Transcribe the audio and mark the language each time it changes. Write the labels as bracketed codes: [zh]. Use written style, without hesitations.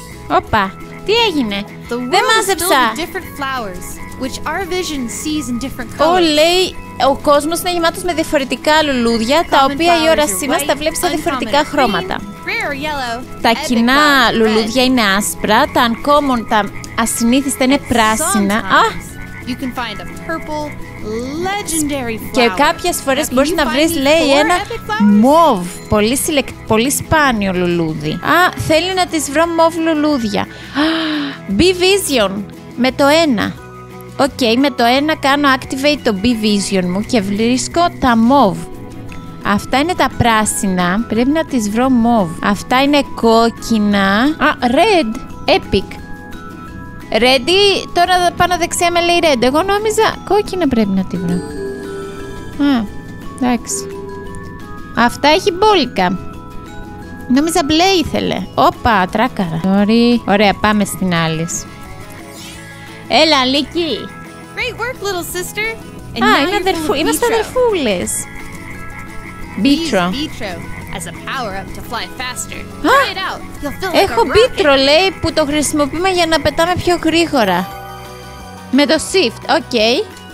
[el] Όπα, τι έγινε? Δεν μάζεψα. Λέει, ο κόσμος είναι γεμάτος με διαφορετικά λουλούδια, τα οποία η όρασή μας τα βλέπει σε διαφορετικά χρώματα. Τα κοινά λουλούδια είναι άσπρα, τα uncommon, τα ασυνήθιστα είναι πράσινα. Α! [en] You can find a purple legendary flower. [el] Και κάποιες φορές μπορείς να βρεις, λέει, ένα μοβ, πολύ, πολύ σπάνιο λουλούδι. Α, θέλει να τις βρω μοβ λουλούδια. B-Vision, με το ένα. Okay, με το ένα κάνω activate το B-Vision μου και βρίσκω τα μοβ. Αυτά είναι τα πράσινα, πρέπει να τις βρω μοβ. Αυτά είναι κόκκινα. Α, red, epic. Ready, τώρα πάνω δεξιά με λέει red. Εγώ νόμιζα κόκκινα πρέπει να τη βρω. Α, εντάξει. Αυτά έχει μπόλικα. Νόμιζα μπλε ήθελε. Όπα, τράκαρα. Sorry. Ωραία, πάμε στην άλλη. Έλα, Λίκη. [en] Great work, little sister. [el] Α, είναι αδερφού. Είμαστε αδερφούλες. Μπίτρο. [en] As a power up to fly faster. [el] Α, έχω μπίτρο, λέει, που το χρησιμοποιούμε για να πετάμε πιο γρήγορα. Με το shift, okay.